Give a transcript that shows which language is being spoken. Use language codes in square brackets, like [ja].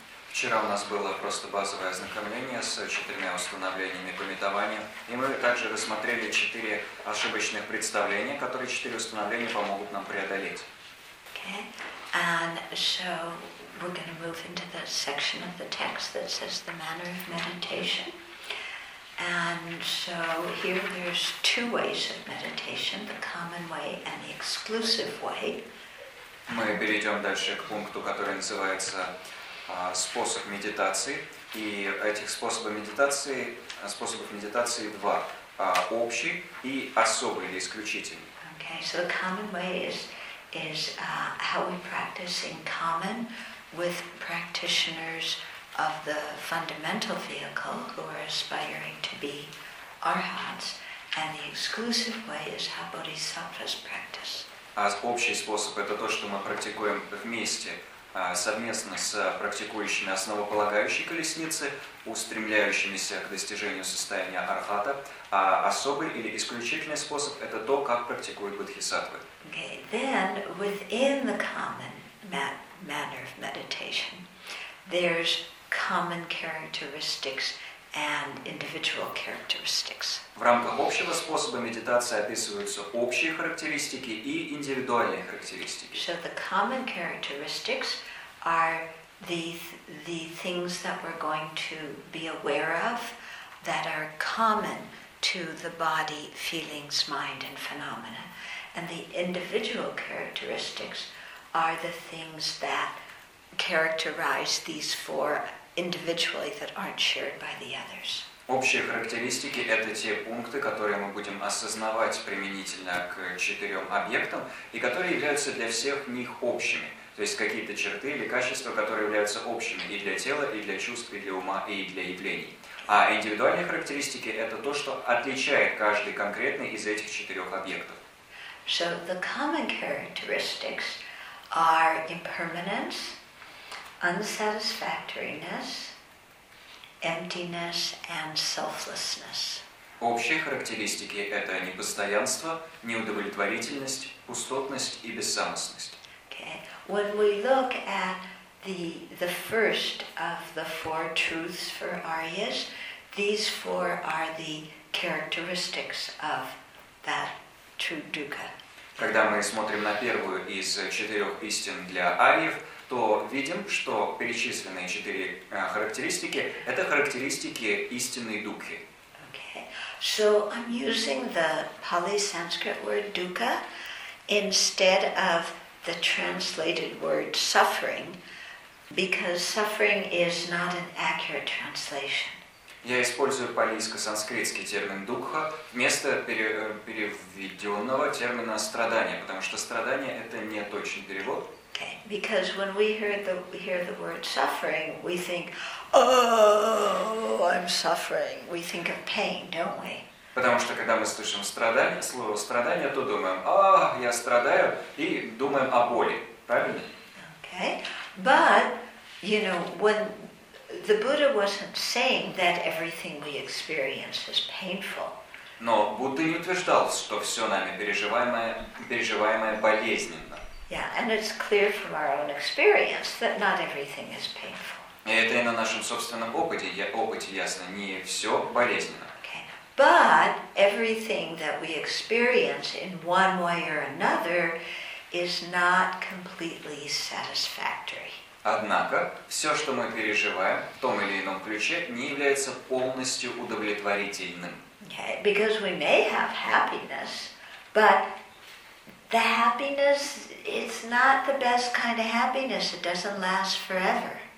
[ru] Вчера у нас было просто базовое ознакомление с четырьмя установлениями пометования, и мы также рассмотрели четыре ошибочных представления, которые четыре установления помогут нам преодолеть. [en] Okay. And so we're going to move into the section of the text that says the manner of meditation. And so here there's two ways of meditation, the common way and the exclusive way. [ru] Мы перейдем дальше к пункту, который называется способ медитации, и этих способов медитации два: общий и особый или исключительный. [en] Okay, so the common way is how we practice in common with practitioners of the fundamental vehicle who are aspiring to be arhats, and the exclusive way is how bodhisattvas practice. [ru] А общий способ это то, что мы практикуем вместе, совместно с практикующими основополагающей колесницы, устремляющимися к достижению состояния архата. А особый или исключительный способ это то, как практикуют бодхисаттвы. [en] Okay, then within the common manner of meditation, there's common characteristics and individual characteristics. [ru] В рамках общего способа медитации описываются общие характеристики и индивидуальные характеристики. [en] So the common characteristics are the things that we're going to be aware of that are common to the body, feelings, mind, and phenomena. And the individual characteristics are the things that characterize these four individually that aren't shared by the others. [ru] Общие характеристики – это те пункты, которые мы будем осознавать применительно к четырем объектам и которые являются для всех них общими. То есть какие-то черты или качества, которые являются общими и для тела, и для чувств, и для ума, и для явлений. А индивидуальные характеристики – это то, что отличает каждый конкретный из этих четырех объектов. [en] So the common characteristics are impermanence, unsatisfactoriness, emptiness, and selflessness. [ru] Общие характеристики – это непостоянство, неудовлетворительность, пустотность и бессамостность. [en] Okay. When we look at the first of the four truths for Aryas, these four are the characteristics of that true dukkha. [ru] Когда мы смотрим на первую из четырех истин для ариев, то видим, что перечисленные четыре характеристики – это характеристики истинной дукхи. [en] Okay. So I'm using the Pali Sanskrit word dukkha instead of the translated word suffering, because suffering is not an accurate translation. [ru] Я использую палийско-санскритский термин «дукха» вместо переведенного термина «страдание», потому что «страдание» — это не точный перевод. [en] Okay, because when we hear the word suffering, we think, oh, I'm suffering. We think of pain, don't we? [ru] Потому что когда мы слышим страдание, слово «страдание», то думаем, а, я страдаю, и думаем о боли, правильно? [en] Okay, but you know when the Buddha wasn't saying that everything we experience is painful. [ru] Но Будда не утверждал, что все нами переживаемое болезненно. [en] Yeah, and it's clear from our own experience that not everything is painful. [ru] И это и на нашем собственном опыте ясно, не все болезненно. [en] Okay. But everything that we experience in one way or another is not completely satisfactory. [ru] Однако, все, что мы переживаем в том или ином ключе, не является полностью удовлетворительным. [en] Okay, because we may have happiness, but the happiness, it's not the best kind of happiness, it doesn't last forever.